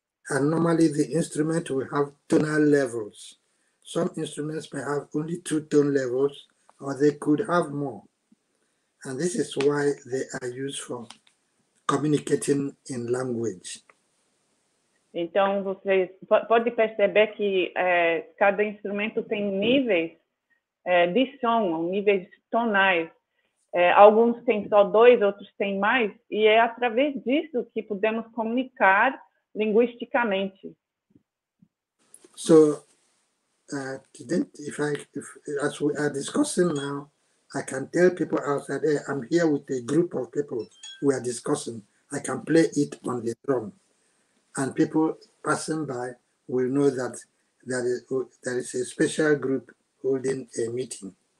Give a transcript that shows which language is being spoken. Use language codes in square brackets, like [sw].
[en] And normally the instrument will have tonal levels. Some instruments may have only 2 tone levels, or they could have more. And this is why they are used for communicating in language. [pt] Então, você pode perceber que cada instrumento tem níveis de som, níveis tonais. Alguns têm só dois, outros têm mais, e é através disso que podemos comunicar linguisticamente. [en] So, if as we are discussing now, I can tell people outside, hey, I'm here with a group of people, we are discussing, I can play it on the drum. And people passing by will know that there is a special group holding a meeting.